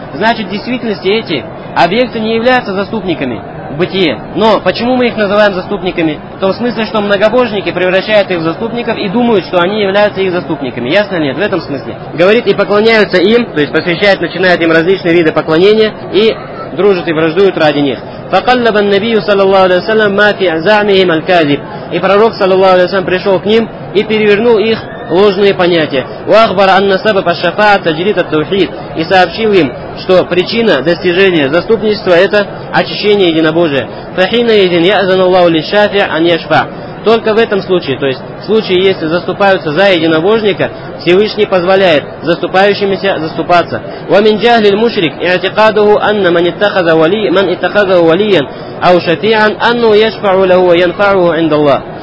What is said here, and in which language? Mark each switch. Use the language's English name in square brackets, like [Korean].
[Russian] Значит, в действительности эти объекты не являются заступниками в бытие. Но почему мы их называем заступниками? В том смысле, что многобожники превращают их в заступников и думают, что они являются их заступниками. Ясно ли? Нет, в этом смысле. Говорит, и поклоняются им, то есть посвящают, начинают им различные виды поклонения и дружат и враждуют ради них. [Arabic] فقلب النبي صلى الله عليه وسلم ما في زعمهم الكاذب. [Russian] И пророк, саллаллаху алейхи ва саллям, пришел к ним и перевернул их ложные понятия. [Arabic] واخبر ان سبب الشفاعه تجريد التوحيد. [Russian] И сообщил им, что причина достижения заступничества — это очищение единобожия. [Arabic] فحينئذ يأذن الله للشافع ان يشفع. [Russian] Только в этом случае, то есть в случае, если заступаются за единобожника, Всевышний позволяет заступающимися заступаться. [Arabic] وَمِنْ جَهْلِ الْمُشْرِكِ اعْتِقَادُهُ أَنَّ مَنْ اتَّخَذَ وَلِيًّا مَنْ اتَّخَذَهُ وَلِيًّا أَوْ شَفِيعًا أَنَّهُ يَشْفَعُ لَهُ وَيَنْفَعُهُ عِنْدَ اللَّهِ.